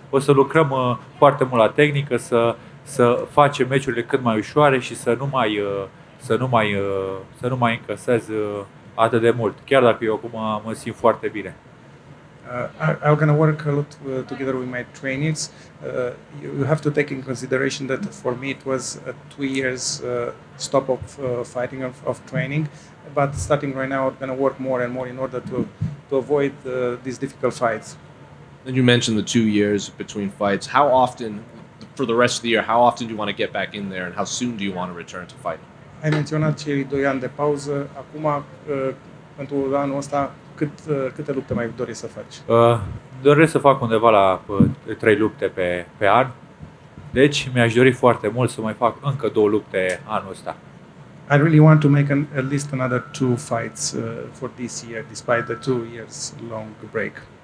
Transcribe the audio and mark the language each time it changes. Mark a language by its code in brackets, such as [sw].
[ro] O să lucrăm foarte mult la tehnică, să facem meciurile cât mai ușoare și să nu mai încăsez atât de mult. Chiar dacă eu acum mă simt foarte bine. [en] I'm going to work a lot together with my trainers. You have to take in consideration that for me it was a 2 years stop of fighting, of training. But starting right now, I'm going to work more and more in order to avoid these difficult fights. Then you mentioned the 2 years between fights. How often, for the rest of the year, how often do you want to get back in there and how soon do you want to return to fighting? [ro] Ai menționat cei 2 ani de pauză. Acum, pentru anul ăsta, câte lupte mai dorești să faci? Doresc să fac undeva la 3 lupte pe an. Deci mi-aș dori foarte mult să mai fac încă 2 lupte anul ăsta. [en] I really want to make at least another 2 fights for this year despite the 2 years long break.